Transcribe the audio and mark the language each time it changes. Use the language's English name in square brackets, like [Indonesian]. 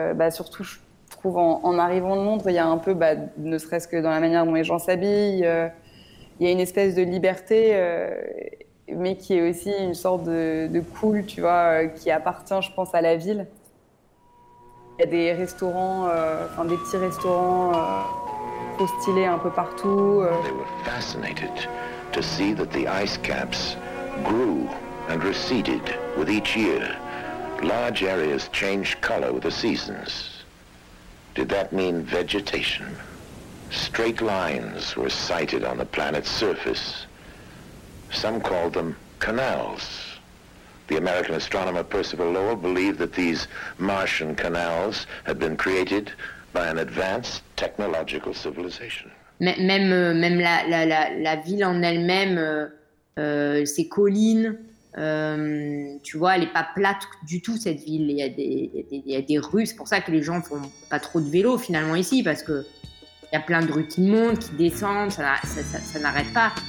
[French] Surtout, je trouve, en arrivant de Londres, il y a un peu, ne serait-ce que dans la manière dont les gens s'habillent, il y a une espèce de liberté, mais qui est aussi une sorte de cool, tu vois, qui appartient, je pense, à la ville. Il y a des restaurants, des petits restaurants trop stylés un peu partout. [English] They were fascinated to see that the ice caps grew and receded with each year. Large areas changed color with the seasons. Did that mean vegetation? Straight lines were sighted on the planet's surface. Some called them canals. The American astronomer Percival Lowell believed that these Martian canals had been created by an advanced technological civilization. [French] Même la ville en elle-même, ses collines, tu vois, elle n'est pas plate du tout, cette ville. Il y a des rues, c'est pour ça que les gens ne font pas trop de vélo finalement ici, parce qu'il y a plein de rues qui montent, qui descendent, ça n'arrête pas.